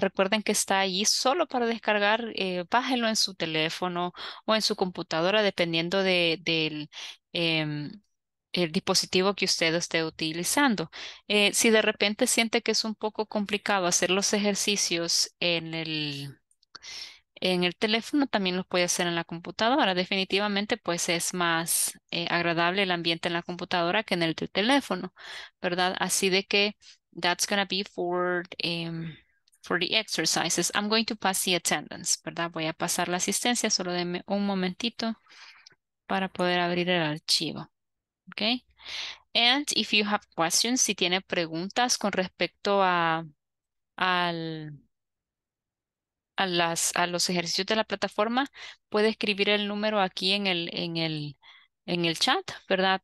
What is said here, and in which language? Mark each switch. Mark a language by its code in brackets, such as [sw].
[es] Recuerden que está ahí solo para descargar, bájenlo en su teléfono o en su computadora, dependiendo del dispositivo que usted esté utilizando. Si de repente siente que es un poco complicado hacer los ejercicios en el teléfono, también lo puede hacer en la computadora. Definitivamente, pues es más agradable el ambiente en la computadora que en el teléfono, ¿verdad? Así de que [en] that's going to be for the exercises. I'm going to pass the attendance, [es] ¿verdad? Voy a pasar la asistencia. Solo denme un momentito para poder abrir el archivo. [en] Okay. And if you have questions, [es] si tiene preguntas con respecto a los ejercicios de la plataforma, puede escribir el número aquí en el chat, ¿verdad?